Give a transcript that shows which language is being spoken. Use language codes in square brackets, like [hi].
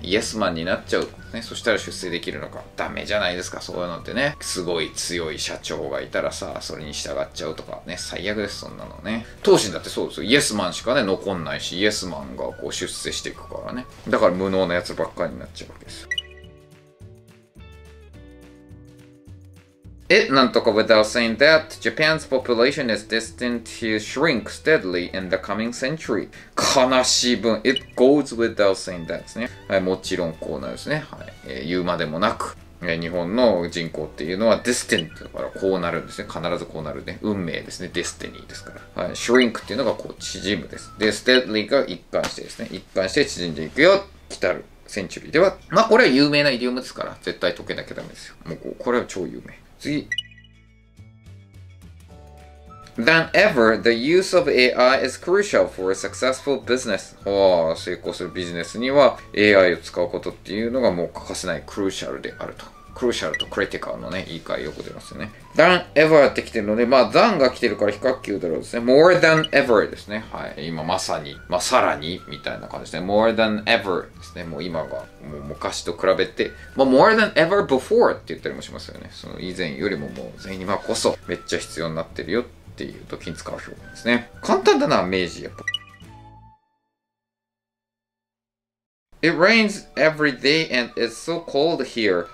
[ja] イエスマンになっちゃう。ね、そしたら出世できるのか。ダメじゃないですか、そういうのってね。すごい強い社長がいたらさ、それに従っちゃうとかね、最悪です、そんなのね。当時だってそうですよ。イエスマンしかね、残んないし、イエスマンがこう出世していくからね。だから無能なやつばっかりになっちゃうわけですよ。 [en] It, [ja] なんとか [en] without saying that, Japan's population is destined to shrink steadily in the coming century. [ja] 悲しい文。 [en] It goes without saying that. [ja] ね、はい、もちろんこうなるんですね、はい言うまでもなく、日本の人口っていうのは destined だからこうなるんですね。必ずこうなるね。運命ですね。destiny ですから。はい、shrink っていうのがこう縮むです。で、steadily が一貫してですね。一貫して縮んでいくよ。来たる。センチュリーでは。まあ、これは有名なイディオムですから、絶対解けなきゃダメですよ。もう これは超有名。次。 [en] Than ever, the use of AI is crucial for a successful business. [ja] 成功するビジネスには AI を使うことっていうのがもう欠かせない、クルーシャルであると。クルーシャルとクリティカルのね、言い換えよく出ますよね。 [en] Than ever [ja] って来てるので、まあ、than が来てるから比較級だろうですね。 [en] More than ever [ja] ですね。はい。今まさに、まあ、さらにみたいな感じですね。 [en] More than ever [ja] ですね。もう今が、もう昔と比べて、まあ、 [en] more than ever before [ja] って言ったりもしますよね。その以前よりももう、全員今こそ、めっちゃ必要になってるよっていう時に使う表現ですね。簡単だな、明治やっぱ。 [en] It rains every day and it's so cold here.